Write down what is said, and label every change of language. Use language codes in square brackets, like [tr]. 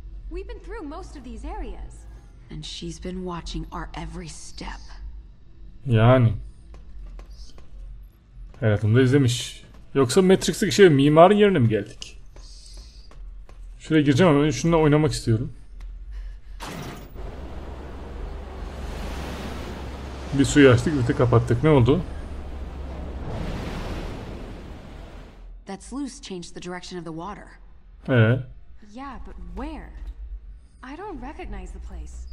[en] We've been through most of these areas. And she's been watching our every step. [tr] Yani. Hayatımda izlemiş. Yoksa Matrix'teki şey mimarın yerine mi geldik? Şuraya gireceğim ama ben şununla oynamak istiyorum. Bir suyu açtık, bir de kapattık. Ne oldu? [en] That sluice changed the direction of the water. Yeah, but where? I don't recognize the place.